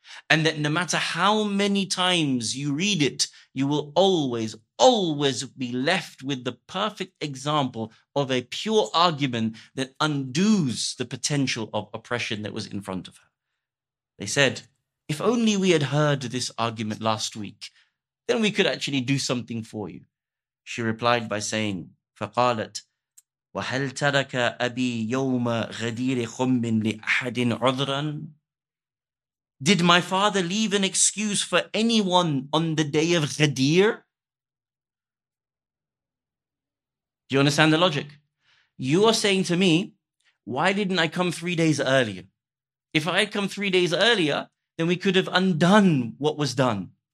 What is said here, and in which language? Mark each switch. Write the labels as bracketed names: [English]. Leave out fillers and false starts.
[English] And that no matter how many times you read it, you will always, always be left with the perfect example of a pure argument that undoes the potential of oppression that was in front of her. They said, if only we had heard this argument last week, then we could actually do something for you. She replied by saying, [Arabic] فَقَالَتْ وَهَلْ تَرَكَ أَبِي يَوْمَ غَدِيرِ خُمٍ لِأَحَدٍ عُذْرًا. [English] Did my father leave an excuse for anyone on the day of Ghadir? Do you understand the logic? You are saying to me, why didn't I come 3 days earlier? If I had come 3 days earlier, then we could have undone what was done.